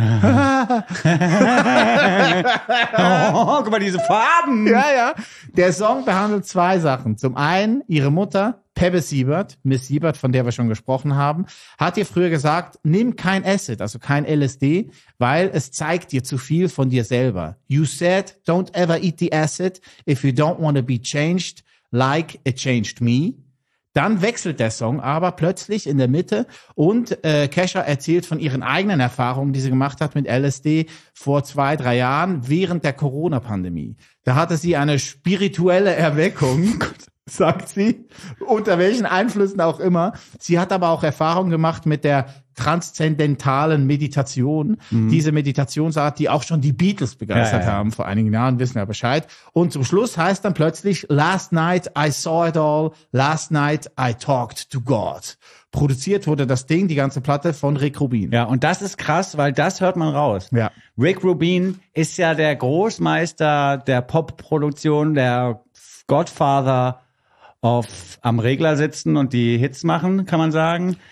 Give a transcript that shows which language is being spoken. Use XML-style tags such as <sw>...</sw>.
<de>Oh, guck mal, diese Farben. Ja, ja. Der Song behandelt 2 Sachen. Zum einen ihre Mutter, Pebbe Siebert, Miss Siebert, von der wir schon gesprochen haben, hat ihr früher gesagt, nimm kein Acid, also kein LSD, weil es zeigt dir zu viel von dir selber.</de> <en>You said, don't ever eat the acid if you don't want to be changed. Like It Changed Me.</en> <de>Dann wechselt der Song aber plötzlich in der Mitte und Kesha erzählt von ihren eigenen Erfahrungen, die sie gemacht hat mit LSD vor 2-3 Jahren während der Corona-Pandemie. Da hatte sie eine spirituelle Erweckung, sagt sie, unter welchen Einflüssen auch immer. Sie hat aber auch Erfahrungen gemacht mit der transzendentalen Meditation. Mhm. Diese Meditationsart, die auch schon die Beatles begeistert haben vor einigen Jahren, wissen wir Bescheid. Und zum Schluss heißt dann plötzlich</de> <en>Last night I saw it all. Last night I talked to God.</en> <de>Produziert wurde das Ding, die ganze Platte, von Rick Rubin. Ja, und das ist krass, weil das hört man raus. Ja. Rick Rubin ist ja der Großmeister der Popproduktion, der Godfather auf am Regler sitzen und die Hits machen, kann man sagen.</de>